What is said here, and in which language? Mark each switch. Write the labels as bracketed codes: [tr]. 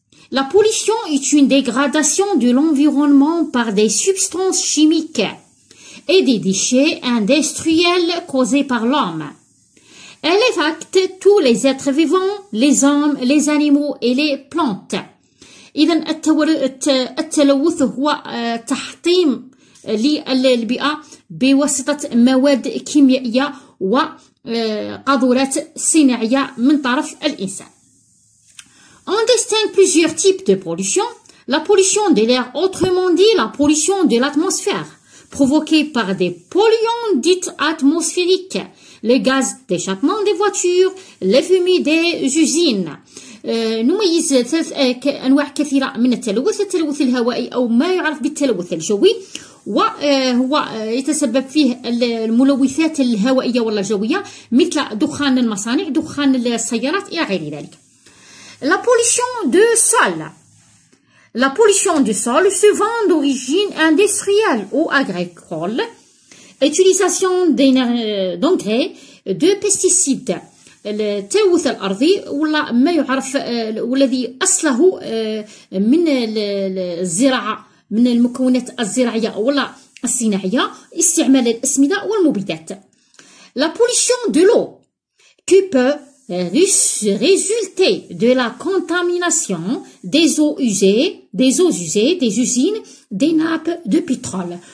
[fr] La pollution est une dégradation de l'environnement par des substances chimiques et des déchets industriels causés par l'homme. Elle affecte tous les êtres vivants, les hommes, les animaux et les plantes. [ar] إذن التلوث هو تحطيم للبيئة بواسطة مواد كيميائية وقاذورات صناعية من طرف الإنسان. [fr] On distingue plusieurs types de pollution. La pollution de l'air, autrement dit la pollution de l'atmosphère, provoquée par des polluants dits atmosphériques, les gaz d'échappement des voitures, les fumées des usines. [ar] نميز ثلاث أنواع كثيرة من التلوث، التلوث الهوائي أو ما يعرف بالتلوث الجوي، وهو يتسبب فيه الملوثات الهوائية ولا الجوية مثل دخان المصانع، دخان السيارات إلى غير ذلك. [fr] La pollution du sol. La pollution du sol, souvent d'origine industrielle ou agricole, utilisation d'engrais, de pesticides. [ar] التلوث الأرضي ولا ما يعرف والذي أصله من الزراعة، من المكونات الزراعية ولا الصناعية، استعمال الأسمدة والمبيدات. [fr] La pollution de l'eau qui peut résulter de la contamination des eaux usées, des usines, des nappes de pétrole.